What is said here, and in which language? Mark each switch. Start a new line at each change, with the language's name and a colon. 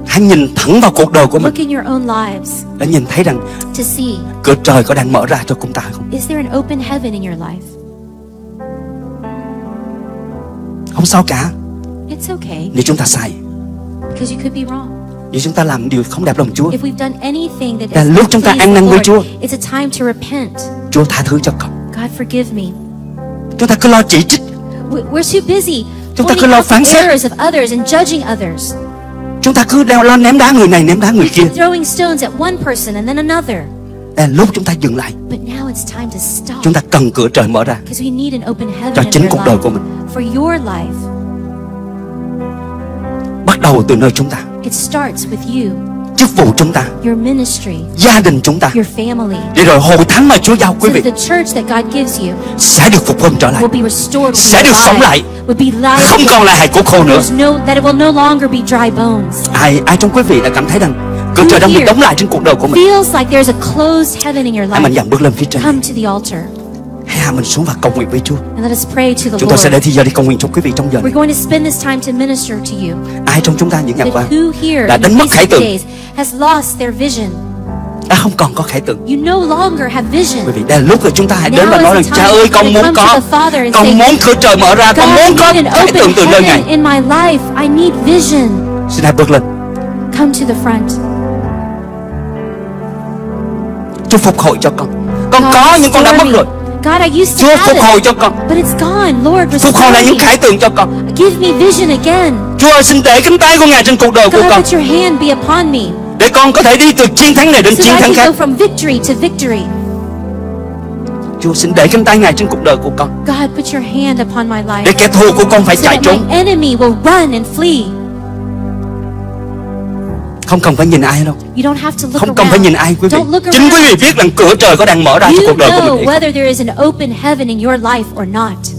Vietnamese: hãy nhìn thẳng vào cuộc đời của mình,
English: look in your own lives,
Vietnamese: để nhìn thấy rằng
English: to see,
Vietnamese: cửa trời có đang mở ra cho chúng ta không?
English: Is there an open heaven in your life?
Vietnamese: Không sao cả.
English: It's okay.
Vietnamese: Nếu chúng ta sai,
English: because you could be wrong.
Vietnamese: Nếu chúng ta làm điều không đẹp lòng Chúa,
English: if we've done anything that
Vietnamese: là lúc chúng ta ăn năn với Chúa,
English: it's a time to repent.
Vietnamese: Chúa tha thứ cho con.
English: God forgive me.
Vietnamese: Chúng ta cứ lo chỉ trích.
English: We're too busy
Vietnamese: chúng ta cứ lo phán xét
English: errors of others and judging others.
Vietnamese: Chúng ta cứ lo ném đá người này ném đá người kia.
English: Throwing stones at one person and then another.
Vietnamese: Là lúc chúng ta dừng lại.
English: But now it's time to stop.
Vietnamese: Chúng ta cần cửa trời mở ra.
English: Because we need an open heaven
Vietnamese: cho chính cuộc đời của mình.
English: For your life.
Vietnamese: Bắt đầu từ nơi chúng ta.
English: It starts with you.
Vietnamese: Chức vụ chúng ta.
English: Your ministry.
Vietnamese: Gia đình chúng ta.
English: Your family.
Vietnamese: Để rồi hội thánh mà Chúa giao quý vị.
English: So the church that God gives you.
Vietnamese: Sẽ được phục hưng trở lại.
English: Will be restored.
Vietnamese: Sẽ được sống lại.
English: Will be alive.
Vietnamese: Không còn là hài cốt khô nữa.
English: No, that it will no longer be dry bones.
Vietnamese: Ai trong quý vị đã cảm thấy rằng cửa trời đang bị đóng lại trên cuộc đời của mình.
English: Feels like there's a closed heaven in your life.
Vietnamese: Hãy mình dặn bước lên phía trên.
English: Come to the altar.
Vietnamese: Hãy hạ mình xuống và cầu nguyện với Chúa.
English: And let us pray to the
Vietnamese: chúng
English: Lord.
Vietnamese: Chúng ta sẽ để thời giờ đi cầu nguyện cho quý vị trong giờ.
English: We're going to spend this time to minister to you.
Vietnamese: Ai trong chúng ta những ngày qua
English: who here
Vietnamese: đã đánh mất khải tượng?
English: Has lost their vision.
Vietnamese: Đã không còn có khải tượng.
English: You no longer have vision.
Vietnamese: Quý vị, đây là lúc rồi chúng ta hãy đến và nói rằng Cha ơi, con muốn có. Con muốn cửa trời mở ra. Con muốn có khải tượng từ nơi này.
English: In my life, I need vision.
Vietnamese: Xin hãy bước lên.
English: Come to the front.
Vietnamese: Chúa phục hồi cho con. Con có nhưng con đã mất rồi.
English: God, I used to
Vietnamese: Chúa phục hồi cho con.
English: But it's gone. Lord,
Vietnamese: phục hồi lại những khải tượng cho con.
English: Give me vision again.
Vietnamese: Chúa ơi, xin để cánh tay của Ngài trên cuộc đời
English: God,
Vietnamese: của con.
English: Let your hand be upon me.
Vietnamese: Để con có thể đi từ chiến thắng này đến
English: so
Vietnamese: chiến thắng khác.
English: Go from victory to victory.
Vietnamese: Chúa xin để cánh tay Ngài trên cuộc đời của con.
English: God, put your hand upon my life.
Vietnamese: Để kẻ thù của con phải
English: so
Vietnamese: chạy trốn.
English: My enemy will run and flee.
Vietnamese: Không cần phải nhìn ai đâu.
English: You don't have to look
Vietnamese: không
English: around.
Vietnamese: Cần phải nhìn ai quý vị. Chính quý vị biết rằng cửa trời có đang mở ra
English: you
Vietnamese: cho cuộc đời của mình.
English: You know whether there is an open heaven in your life or not.